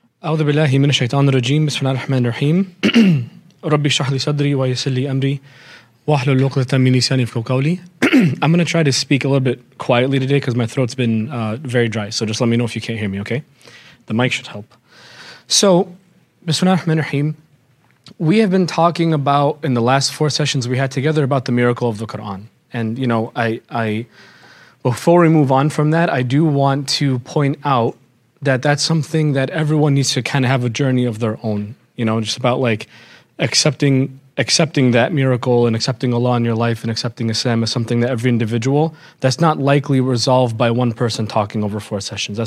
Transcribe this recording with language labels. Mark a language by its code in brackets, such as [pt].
[ar] أعوذ بالله من الشيطان الرجيم بسم الله الرحمن الرحيم ربي اشرح لي صدري ويسر لي أمري واحلل عقدة من لساني يفقهوا قولي. [en] I'm going to try to speak a little bit quietly today because my throat's been very dry. So just let me know if you can't hear me, okay? The mic should help. So, [ar] بسم الله الرحمن الرحيم. [en] We have been talking about, in the last four sessions we had together, about the miracle of the Quran. And, you know, I before we move on from that, I do want to point out that that's something that everyone needs to kind of have a journey of their own, you know, just about like accepting that miracle and accepting Allah in your life and accepting Islam as something that every individual, that's not likely resolved by one person talking over four sessions.